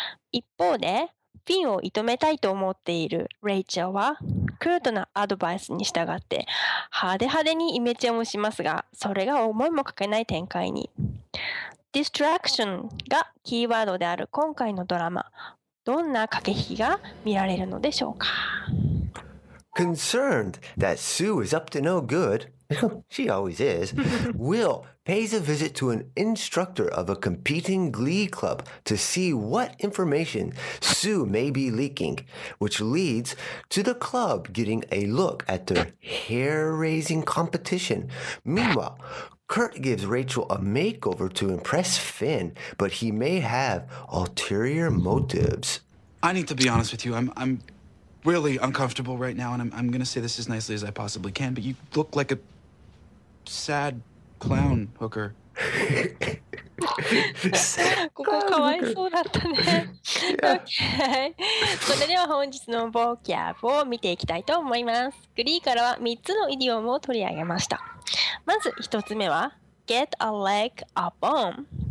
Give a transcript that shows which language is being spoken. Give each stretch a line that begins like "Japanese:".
Japanese: 一方でフィンを射止めたいと思っているレイチェルはクルトなアドバイスに従って派手派手にイメチェンをしますが、それが思いもかけない展開に。ディストラクションがキーワードである今回のドラマ、どんな駆け引きが見られるのでしょうか。
English: Concerned that Sue is up to no good, she always is, Will pays a visit to an instructor of a competing glee club to see what information Sue may be leaking, which leads to the club getting a look at their hair-raising competition. Meanwhile, Kurt gives Rachel a makeover to impress Finn, but he may have ulterior motives. I need to be honest with you. I'm really uncomfortable right now, and I'm going to say this as nicely as I possibly can, but you look like a sad clown hooker.
Japanese: ここかわいそうだったね。それでは本日のボキャブを見ていきたいと思います。グリーからは3つのイディオムを取り上げました。まず1つ目は
English: Get a leg up on。